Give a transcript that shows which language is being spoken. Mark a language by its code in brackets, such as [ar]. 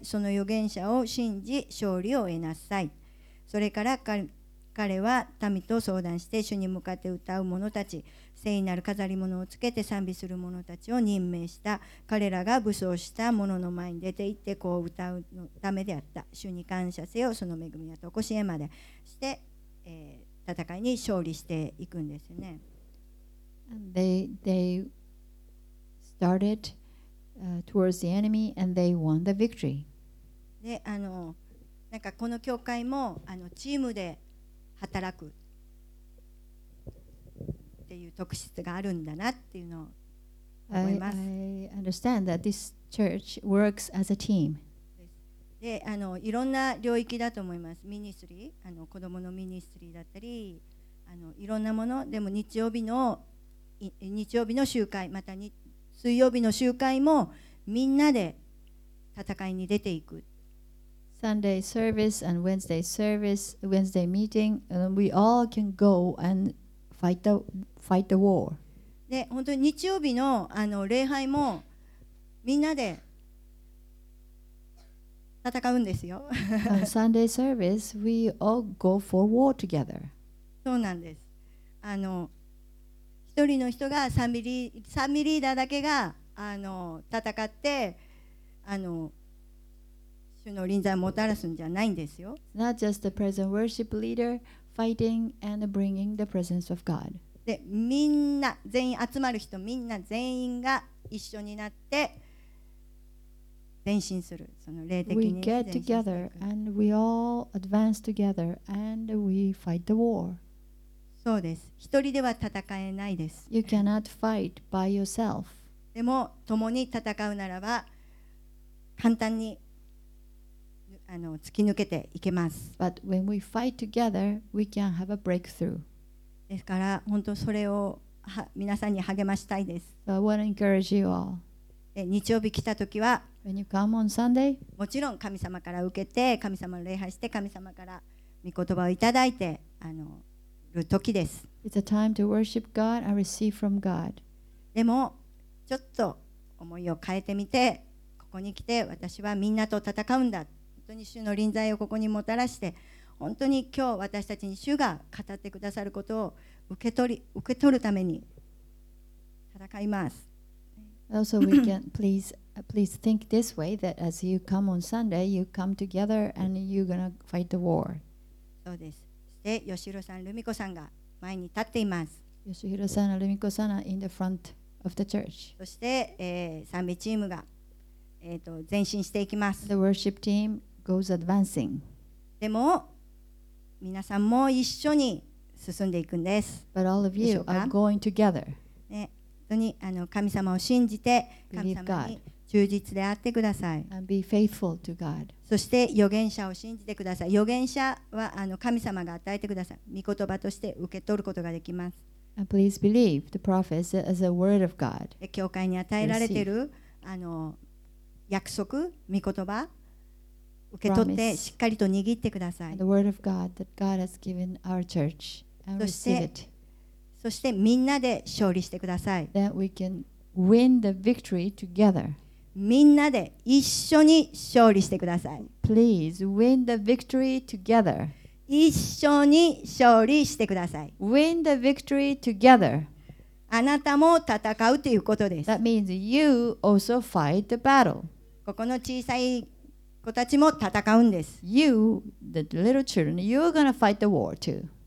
[ja] その預言者を信じ、勝利を得なさい。それから彼は民と相談して、主に向かって歌う者たち、聖なる飾り物をつけて賛美する者たちを任命した。彼らが武装した者の前に出て行ってこう歌うのためであった。主に感謝せよ、その恵みはとこしえまで。して、戦いに勝利していくんですよね。 [en] They started towards the enemy and they won the victory. [ja] で、あの、なんかこの教会もあのチームで働くっていう特質があるんだなっていうのを思います。 [en] I understand that this church works as a team. [ja] で、あの、いろんな領域だと思います。ミニストリー、あの、子供のミニストリーだったり、あの、いろんなもの、でも日曜日の集会、また水曜日の集会もみんなで戦いに出ていく。 [en] Sunday service and Wednesday service, Wednesday meeting, and we all can go and fight the war. [ja] で、本当に日曜日の、あの、礼拝もみんなで戦うんですよ。 [en] On Sunday service, we all go for war together. [ja] そうなんです。あの、一人の人が賛美リーダーだけが、あの、戦って、あの、主の臨在をもたらすんじゃないんですよ。 [en] Not just the present worship leader fighting and bringing the presence of God. [ja] で、みんな、全員集まる人、みんな全員が一緒になって前進する、その霊的に前進する。 [en] We get together and we all advance together and we fight the war. [ja] そうです。一人では戦えないです。 [en] You cannot fight by yourself. [ja] でも、共に戦うならば、簡単に、あの、突き抜けていけます。 [en] But when we fight together, we can have a breakthrough. [ja] ですから、本当それを皆さんに励ましたいです。 [en] So、I want to encourage you all. [ja] で、日曜日来た時は、 [en] When you come on Sunday, [ja] もちろん神様から受けて、神様を礼拝して、神様から御言葉をいただいて、あの、時です。 [en] It's a time to worship God and receive from God. [ja] でもちょっと思いを変えてみて、ここに来て私はみんなと戦うんだ。本当に主の臨在をここにもたらして、本当に今日私たちに主が語ってくださることを受け取るために戦います。 [en] Also, we can please think this way that as you come on Sunday, you come together and you're gonna fight the war. [ja] そうです。で、ヨシヒロさん、ルミコさんが前に立っています。 [en] ヨシヒロさん、ルミコさんは in the front of the church。 [ja] そして、賛美チームが、前進していきます。 [en] The worship team goes advancing。 [ja] でも、皆さんも一緒に進んでいくんです。 [en] But all of you are going together。 [ja] ね、本当にあの神様を信じて、神様に忠実であってください。 [en] And be faithful to God。 [ja] そして預言者を信じてください。預言者はあの神様が与えてください。御言葉として受け取ることができます。 [en] And please believe the prophets as a word of God. [ja] 教会に与えられているあの約束、御言葉、受け取ってしっかりと握ってください。 [en] The word of God that God has given our church. And receive it. [ja] そしてみんなで勝利してください。 [en] That we can win the victory together. [ja] みんなで一緒に勝利してください。 [en] Please win the victory together. [ja] 一緒に勝利してください。 [en] Win the victory together. [ja] あなたも戦うということです。 [en] That means you also fight the battle. [ja] ここの小さい子たちも戦うんです。 [en] You, the little children, you're gonna fight the war too.